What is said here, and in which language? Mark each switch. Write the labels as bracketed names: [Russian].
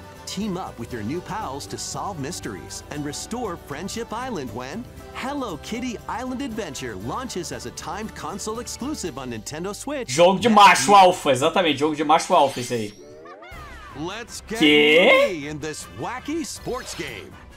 [English] team up with your new pals to solve mysteries and restore Friendship Island when Hello Kitty Island Adventure launches as a timed console exclusive on Nintendo Switch. [Portuguese] Jogo de macho alfa, exatamente, jogo de macho alfa isso aí. [English] Let's get ready in this wacky sports game.